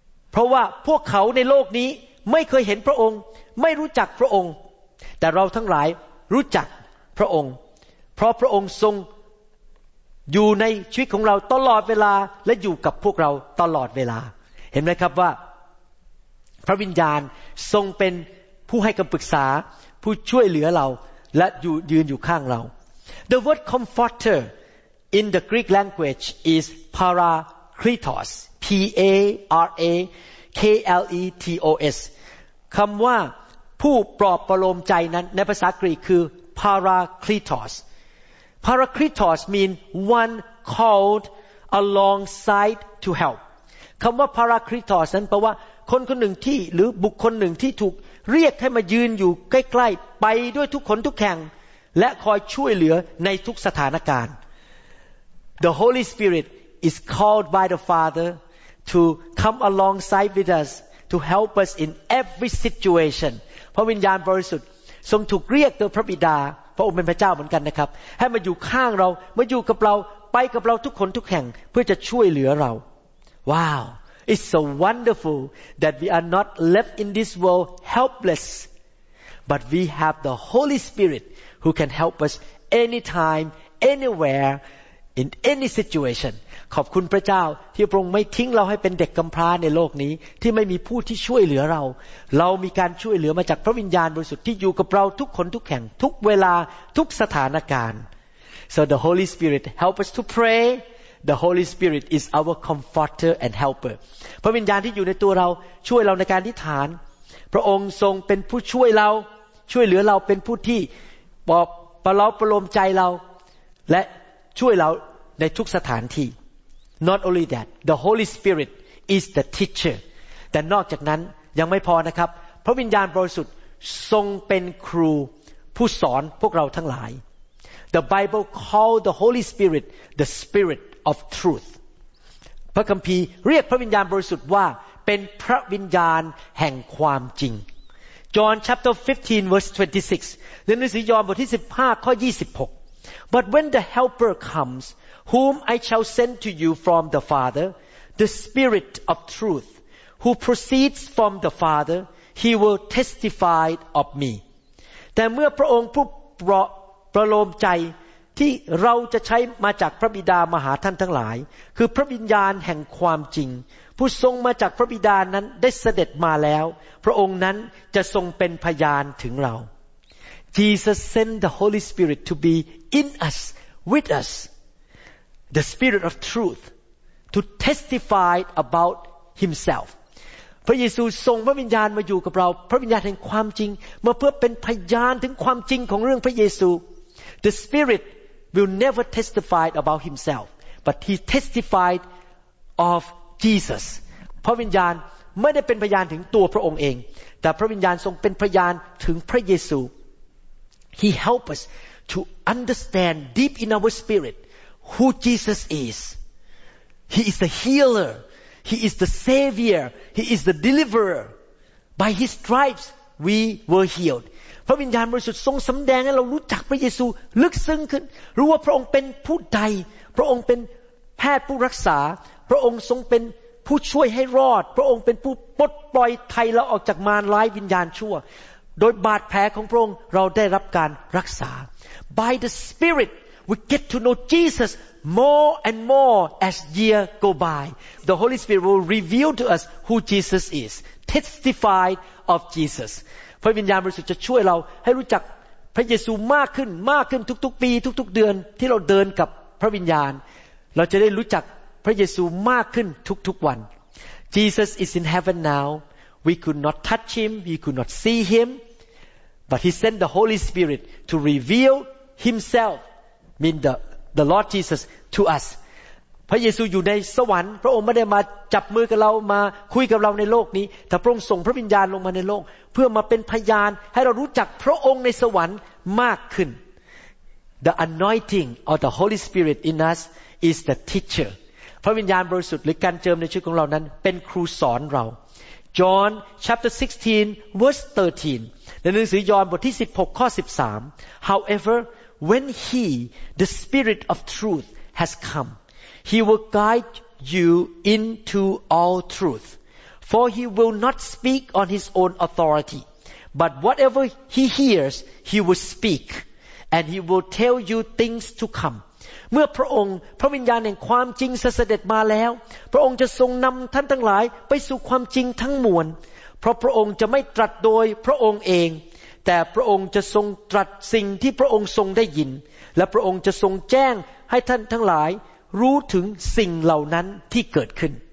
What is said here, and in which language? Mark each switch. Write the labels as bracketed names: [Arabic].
[Thai] เพราะว่าพวกเขาในโลกนี้ไม่เคยเห็นพระองค์ไม่รู้จักพระองค์แต่เราทั้งหลายรู้จักพระองค์เพราะพระองค์ทรงอยู่ในชีวิตของเราตลอดเวลาและอยู่กับพวกเราตลอดเวลาเห็นไหมครับว่าพระวิญญาณทรงเป็นผู้ให้คำปรึกษาผู้ช่วยเหลือเราและยืนอยู่ข้างเรา [English] The word comforter in the Greek language is parakletos P-A-R-A-K-L-E-T-O-S [Thai] คำว่าผู้ปลอบประโลมใจนั้นในภาษากรีกคือ Parakletos [English] Parakletos mean one called alongside to help [Thai] คำว่า Parakletos นั้นแปลว่าคนคนหนึ่งที่หรือบุคคลหนึ่งที่ถูกเรียกให้มายืนอยู่ใกล้ๆไปด้วยทุกคนทุกแห่งและคอยช่วยเหลือในทุกสถานการณ์ [English] The Holy Spirit is called by the Father to come alongside with us to help us in every situation [Thai] พระวิญญาณบริสุทธิ์ทรงถูกเรียกโดยพระบิดาพระองค์เป็นพระเจ้าเหมือนกันนะครับให้มาอยู่ข้างเรามาอยู่กับเราไปกับเราทุกคนทุกแห่งเพื่อจะช่วยเหลือเรา [English] ว้าว It's so wonderful that we are not left in this world helpless But we have the Holy Spirit who can help us anytime, anywhere, in any situation. [Thai] ขอบคุณพระเจ้าที่พระองค์ไม่ทิ้งเราให้เป็นเด็กกำพร้าในโลกนี้ที่ไม่มีผู้ที่ช่วยเหลือเราเรามีการช่วยเหลือมาจากพระวิญญาณบริสุทธิ์ที่อยู่กับเราทุกคนทุกแห่งทุกเวลาทุกสถานการณ์ [English] So the Holy Spirit help us to pray. The Holy Spirit is our comforter and helper. [Thai] พระวิญญาณที่อยู่ในตัวเราช่วยเราในการอธิษฐานพระองค์ทรงเป็นผู้ช่วยเราช่วยเหลือเราเป็นผู้ที่ปลอบประโลมประโลมใจเราและช่วยเราในทุกสถานที่ [English] Not only that, the Holy Spirit is the teacher. [Thai] แต่นอกจากนั้นยังไม่พอนะครับพระวิญญาณบริสุทธิ์ทรงเป็นครูผู้สอนพวกเราทั้งหลาย [English] The Bible calls the Holy Spirit the Spirit of Truth. [Thai] พระคัมภีร์เรียกพระวิญญาณบริสุทธิ์ว่าเป็นพระวิญญาณแห่งความจริง [English] John chapter 15 verse 26. [Thai] ในหนังสือยอห์นบทที่15ข้อ26 [English] But when the Helper comes, whom I shall send to you from the Father, the Spirit of Truth, who proceeds from the Father, he will testify of me. [Thai] แต่เมื่อพระองค์ผู้ประโลมใจที่เราจะใช้มาจากพระบิดามหาท่านทั้งหลายคือพระวิญญาณแห่งความจริงผู้ทรงมาจากพระบิดานั้นได้เสด็จมาแล้วพระองค์นั้นจะทรงเป็นพยานถึงเรา [English] Jesus sent the Holy Spirit to beIn us, with us, the Spirit of Truth, to testify about Himself. [Thai] พระเยซูทรงพระวิญญาณมาอยู่กับเราพระวิญญาณแห่งความจริงมาเพื่อเป็นพยานถึงความจริงของเรื่องพระเยซู [English] The Spirit will never testify about Himself, but He testified of Jesus. [Thai] พระวิญญาณไม่ได้เป็นพยานถึงตัวพระองค์เองแต่พระวิญญาณทรงเป็นพยานถึงพระเยซู [English] He help us. To understand deep in our spirit who Jesus is. He is the healer. He is the savior. He is the deliverer. By his stripes, we were healed. [Thai] พระวิญญาณบริสุทธิ์ทรงสำแดงให้เรารู้จักพระเยซูลึกซึ้งขึ้นรู้ว่าพระองค์เป็นผู้ใดพระองค์เป็นแพทย์ผู้รักษาพระองค์ทรงเป็นผู้ช่วยให้รอดพระองค์เป็นผู้ปลดปล่อยไทยเราออกจากมารร้ายวิญญาณชั่วโดยบาดแผลของพระองค์เราได้รับการรักษา [English] By the Spirit, we get to know Jesus more and more as year go by. The Holy Spirit will reveal to us who Jesus is, testify of Jesus. [Thai] พระวิญญาณบริสุทธิ์จะช่วยเราให้รู้จักพระเยซูมากขึ้นมากขึ้นทุกๆปีทุกๆเดือนที่เราเดินกับพระวิญญาณเราจะได้รู้จักพระเยซูมากขึ้นทุกๆวัน [English] Jesus is in heaven now. We could not touch him. We could not see him. But he sent the Holy Spirit to reveal himself, mean the Lord Jesus, to us. [Thai] พระเยซูอยู่ในสวรรค์พระองค์ไม่ได้มาจับมือกับเรามาคุยกับเราในโลกนี้แต่พระองค์ส่งพระวิญญาณลงมาในโลกเพื่อมาเป็นพยานให้เรารู้จักพระองค์ในสวรรค์มากขึ้น [English] The anointing of the Holy Spirit in us is the teacher. [Thai] พระวิญญาณบริสุทธิ์หรือการเจิมในชีวิตของเรานั้นเป็นครูสอนเรา [English] John chapter 16 verse 13. [Thai] ในหนังสือยอห์นบทที่16ข้อ13 [English] However when he the spirit of truth has come he will guide you into all truth for he will not speak on his own authority but whatever he hears he will speak and he will tell you things to come [Thai] เมื่อพระองค์พระวิญญาณแห่งความจริงเสด็จมาแล้วพระองค์จะทรงนำท่านทั้งหลายไปสู่ความจริงทั้งมวลเพราะพระองค์จะไม่ตรัสโดยพระองค์เองแต่พระองค์จะทรงตรัสสิ่งที่พระองค์ทรงได้ยินและพระองค์จะทรงแจ้งให้ท่านทั้งหลายรู้ถึงสิ่งเหล่านั้นที่เกิดขึ้น